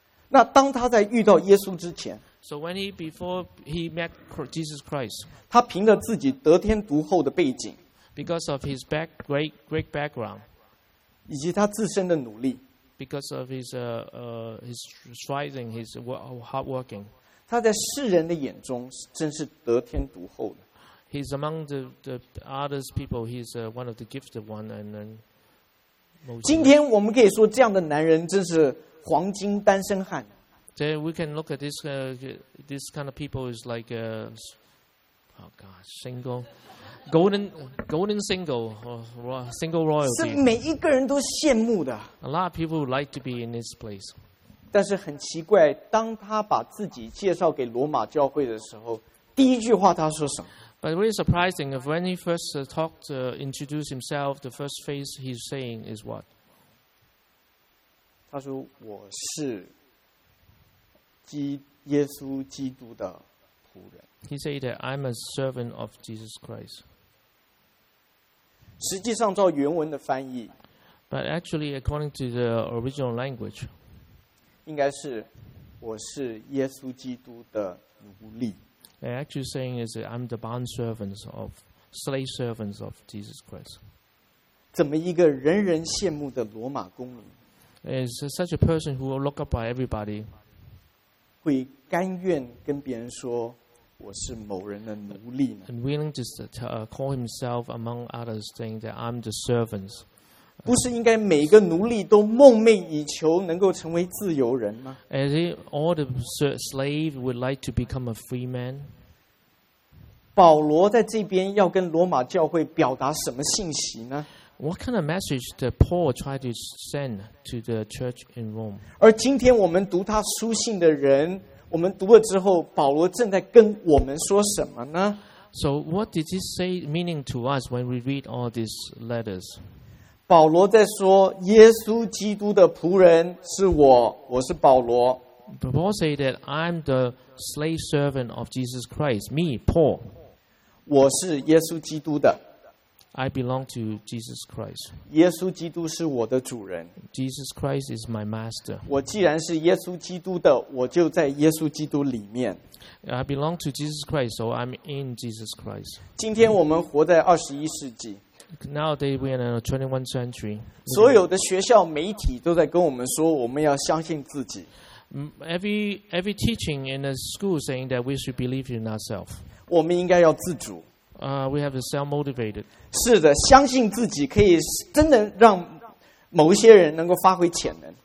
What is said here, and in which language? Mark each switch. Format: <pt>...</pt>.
<zh>那当他在遇到耶稣之前</zh> <en>So when before he met Jesus Christ</en> <zh>他凭着自己得天独厚的背景</zh> <en>Because of his great background</en> <zh>以及他自身的努力</zh> <en>Because of his striving, his hard working.</en> <zh>他在世人的眼中真是得天独厚的。</zh> <en>He's among the others people. He's one of the gifted one, and then.</en> <zh>今天我们可以说这样的男人真是黄金单身汉。</zh> <en>Then we can look at this this kind of people is like a oh god single. Golden single, single royalty.</en> <zh>是每一个人都羡慕的。</zh> <en>A lot of people would like to be in this place.</en> <zh>但是很奇怪，当他把自己介绍给罗马教会的时候，第一句话他说什么？</zh> <en>But really surprising, when he first talked, introduced himself, the first phrase he's saying is what?</en> <zh>他说我是耶稣基督的仆人。</zh> <en>He said that I'm a servant of Jesus Christ.</en> <zh>实际上照原文的翻译</zh> <en>，But actually according to the original language,</en> <zh>应该是我是耶稣基督的奴隶。</zh> <en>They're actually saying is that I'm the bond servants of slave servants of Jesus Christ.</en> <zh>怎么一个人人羡慕的罗马公民</zh> <en>？Is such a person who will look up by everybody?</en> <zh>会甘愿跟别人说我是某人的奴隶呢</zh> <en>？And willing to call himself among others, saying that I'm the servants.</en> <zh>不是应该每个奴隶都梦寐以求能够成为自由人吗</zh> <en>？As if all the slave would like to become a free man.</en> <zh>保罗在这边要跟罗马教会表达什么信息呢</zh> <en>？What kind of message did Paul try to send to the church in Rome？</en> <zh>而今天我们读他书信的人，我们读了之后，保罗正在跟我们说什么呢</zh> <en>？So what did he say meaning to us when we read all these letters？</en> <zh>保罗在说耶稣基督的仆人是我，我是保罗。</zh> <en>Paul said that I'm the slave servant of Jesus Christ, me, Paul.</en> <zh>我是耶稣基督的。</zh> <en>I belong to Jesus Christ.</en> <zh>耶稣基督是我的主人。</zh> <en>Jesus Christ is my master.</en> <zh>我既然是耶稣基督的，我就在耶稣基督里面。</zh> <en>I belong to Jesus Christ, so I'm in Jesus Christ.</en> <zh>今天我们活在21世纪。</zh> <en>Nowadays we are in the 21st century.</en> <zh>所有的学校媒体都在跟我们说，我们要相信自己。</zh> <en>Every teaching in the school saying that we should believe in ourselves.</en> <zh>我们应该要自主。</zh> <en>We have to self motivated.</en> <zh>是的，相信自己可以真的让某一些人能够发挥潜能。</zh>